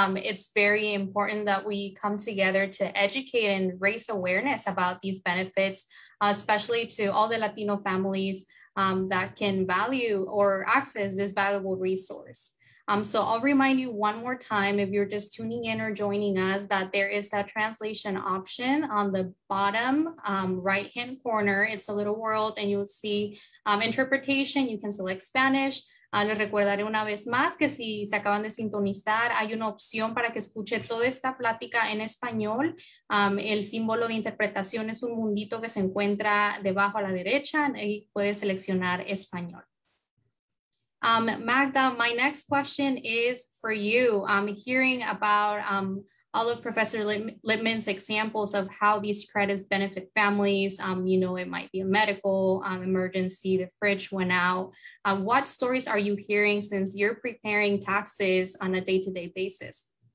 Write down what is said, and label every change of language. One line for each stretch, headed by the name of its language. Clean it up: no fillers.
English: It's very important that we come together to educate and raise awareness about these benefits, especially to all the Latino families that can value or access this valuable resource. So I'll remind you one more time, if you're just tuning in or joining us, that there is a translation option on the bottom right-hand corner. It's a little world, and you'll see interpretation. You can select Spanish.
Spanish: Les recordaré una vez más que si se acaban de sintonizar, hay una opción para que escuche toda esta plática en español. El símbolo de interpretación es un mundito que se encuentra debajo a la derecha, y puede seleccionar español.
English: Magda, my next question is for you. Hearing about all of Professor Lippman's examples of how these credits benefit families. You know, it might be a medical emergency, the fridge went out. What stories are you hearing since you're preparing taxes on a day-to-day basis?